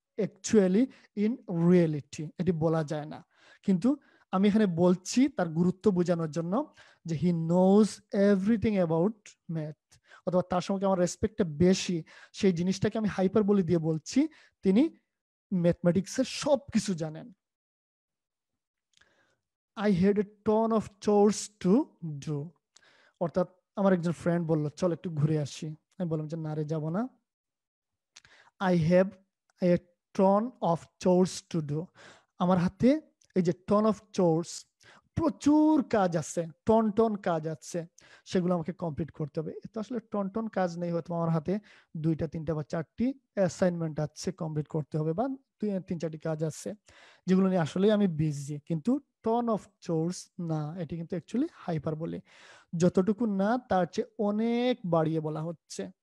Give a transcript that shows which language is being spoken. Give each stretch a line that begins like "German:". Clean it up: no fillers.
Bangla: Actually in reality এটি বলা যায় না, কিন্তু আমি এখানে বলছি তার গুরুত্ব বোঝানোর জন্য যে
English: he knows everything about math,
Bangla: অথবা তার সঙ্গে আমার রেসপেক্টটা বেশি, সেই জিনিসটাকে আমি হাইপারবোলি দিয়ে বলছি, তিনি ম্যাথমেটিক্সের সব কিছু জানেন।
English: I had a ton of chores to do.
Bangla: অর্থাৎ আমার একজন ফ্রেন্ড বলল চল একটু ঘুরে আসি, আমি বললাম যে না রে যাবো না।
English: I have a ton of chores to do.
Bangla: আমার হাতে এই যে
English: ton of chores,
Bangla: প্রচুর কাজ আছে, টন টন কাজ আছে, সেগুলো আমাকে কমপ্লিট করতে হবে। এ তো আসলে টন টন কাজ নেই, হয়তো আমার হাতে দুইটা তিনটা বা চারটি অ্যাসাইনমেন্ট আছে কমপ্লিট করতে হবে, বা তিন চারটি কাজ আছে যেগুলো নিয়ে আসলে আমি বিজি, কিন্তু টন অফ চোর্স না, এটি কিন্তু অ্যাকচুয়ালি হাইপার বলে, যতটুকু না তার চেয়ে অনেক বাড়িয়ে বলা হচ্ছে।